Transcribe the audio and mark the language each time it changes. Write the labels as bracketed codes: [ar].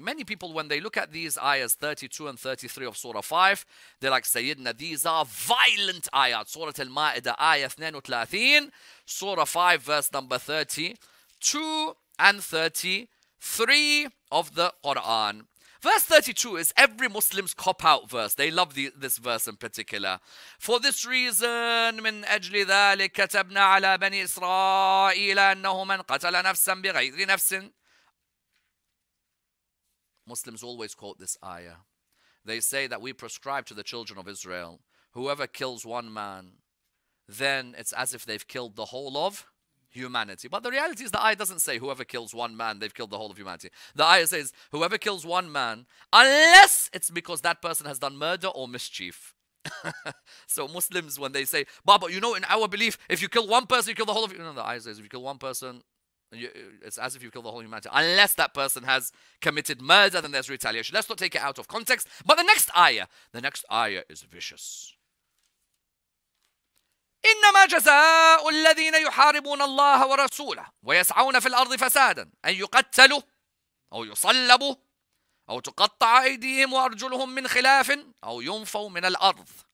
[en] Many people, when they look at these ayahs, 32 and 33 of Surah 5, they're like, Sayyidina, these are violent ayahs. Surah Al-Ma'idah, ayah 32, Surah 5, verse number 32 and 33 of the Quran. Verse 32 is every Muslim's cop-out verse. They love this verse in particular. [ar] For this reason, من أجل ذلك كتبنا على بني إسرائيل أنه من قتل نفسا بغير نفس. [en] Muslims always quote this ayah. They say that we prescribe to the children of Israel, whoever kills one man, then it's as if they've killed the whole of humanity. But the reality is the ayah doesn't say whoever kills one man, they've killed the whole of humanity. The ayah says whoever kills one man, unless it's because that person has done murder or mischief. So Muslims, when they say, Baba, you know, in our belief, if you kill one person, you kill the whole of humanity. No, the ayah says if you kill one person, it's as if you kill the whole humanity. Unless that person has committed murder, then there's retaliation. Let's not take it out of context. But the next ayah is vicious. [ar] إنما جزاء الذين يحاربون الله ورسوله ويسعون في الأرض فسادا أن يقتلوا أو يصلبوا أو تقطع أيديهم وأرجلهم من خلاف أو ينفوا من الأرض.